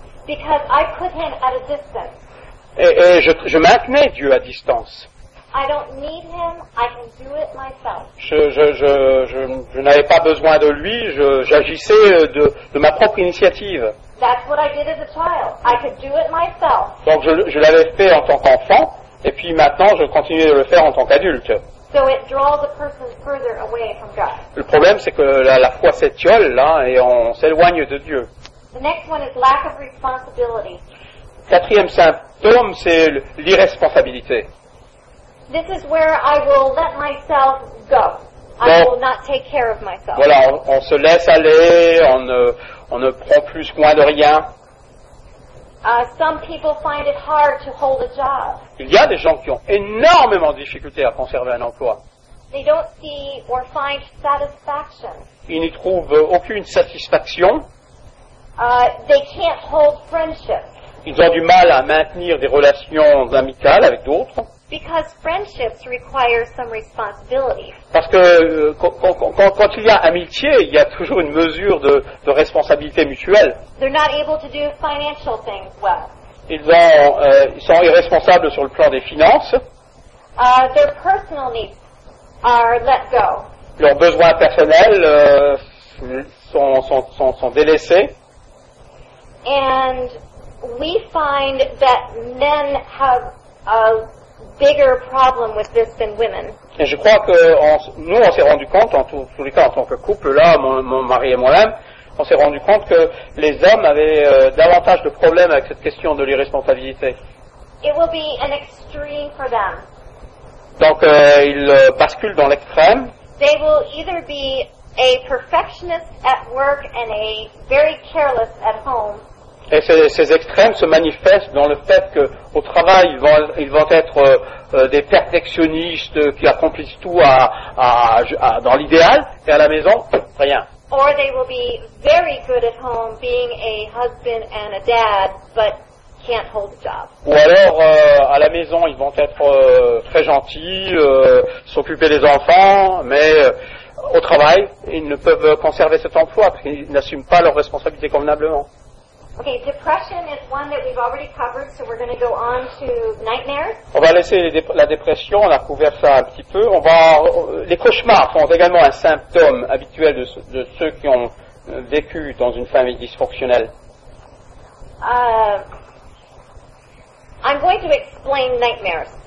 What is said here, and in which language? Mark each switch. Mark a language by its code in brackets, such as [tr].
[en] Because I put him at a distance. [fr] Et je maintenais Dieu à distance. [en] I don't need him, I can do it myself. [fr] Je n'avais pas besoin de lui, j'agissais de ma propre initiative. [en] That's what I did as a child. I could do it myself. [fr] Donc je l'avais fait en tant qu'enfant et puis maintenant je continue de le faire en tant qu'adulte. [en] So it draws a person further away from God. [fr] Le problème c'est que la foi s'étiole et on s'éloigne de Dieu. [en] The next one is lack of responsibility. [fr] Quatrième symptôme c'est l'irresponsabilité. [en] This is where I will let myself go. [fr] Donc, [en] I will not take care of myself. [fr] Voilà, on se laisse aller, on ne prend plus soin de rien. [en] Some people find it hard to hold a job. [fr] Il y a des gens qui ont énormément de difficultés à conserver un emploi. [en] They don't see or find satisfaction. [fr] Ils n'y trouvent aucune satisfaction. [en] They can't hold friendship. [fr] Ils ont du mal à maintenir des relations amicales avec d'autres. [en] Because friendships require some responsibility. [fr] Parce que quand il y a amitié, il y a toujours une mesure de responsabilité mutuelle. [en] They're not able to do financial things well. [fr] Ils sont irresponsables sur le plan des finances. [en] Their personal needs are let go. [fr] Leurs besoins personnels sont délaissés. [en] And we find that men have a bigger problem with this than women. [fr] Et je crois que nous on s'est rendu compte, en tous les cas en tant que couple, là, mon mari et moi-même, on s'est rendu compte que les hommes avaient davantage de problèmes avec cette question de l'irresponsabilité. [en] It will be an extreme for them. [fr] Donc ils basculent dans l'extrême. [en] They will either be a perfectionist at work and a very careless at home. [fr] Et ces extrêmes se manifestent dans le fait qu'au travail, ils vont être des perfectionnistes qui accomplissent tout dans l'idéal, et à la maison, rien. [en] Or they will be very good at home, being a husband and a dad, but can't hold a job. [fr] Ou alors, à la maison, ils vont être très gentils, s'occuper des enfants, mais au travail, ils ne peuvent conserver cet emploi parce qu'ils n'assument pas leurs responsabilités convenablement. [en] Okay, depression is one that we've already covered, so we're going to go on to nightmares. [fr] On va laisser la dépression, on a couvert ça un petit peu. Les cauchemars sont également un symptôme habituel de ceux qui ont vécu dans une famille dysfonctionnelle. [en] I'm going to explain nightmares.